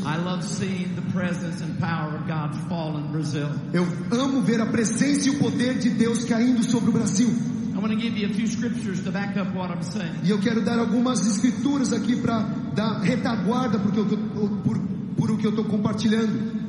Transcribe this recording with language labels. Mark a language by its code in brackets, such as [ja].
[en] I love seeing the presence and power of God fall in Brazil. [pt] Eu amo ver a presença e o poder de Deus caindo sobre o Brasil. [en] I want to give you a few scriptures to back up what I'm saying. [pt] E eu quero dar algumas escrituras aqui para dar retaguarda por o que eu estou compartilhando.